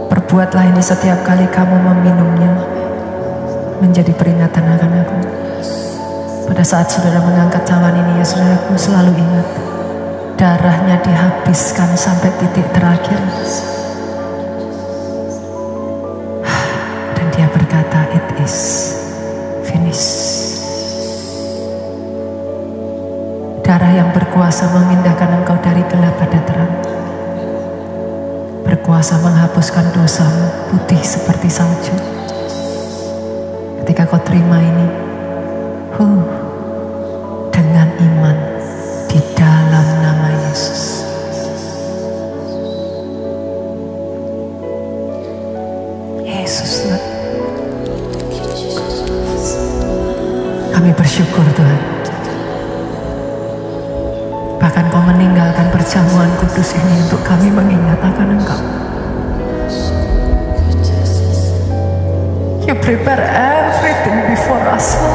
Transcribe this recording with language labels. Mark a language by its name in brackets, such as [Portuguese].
[Indonesian] Buatlah ini setiap kali kamu meminumnya menjadi peringatan akan aku. Pada saat saudara mengangkat cawan ini ya saudara, aku selalu ingat darahnya dihabiskan sampai titik terakhir. Dan dia berkata, [English] it is finished. [Indonesian] Darah yang berkuasa memindahkan engkau dari gelap pada terang. bisa menghapuskan dosamu putih seperti salju. Ketika kau terima ini, dengan iman di dalam nama Yesus. Yesus, kami bersyukur Tuhan. Bahkan kau meninggalkan perjamuan kudus ini untuk kami mengingat akan Engkau. [English] You prepare everything before us.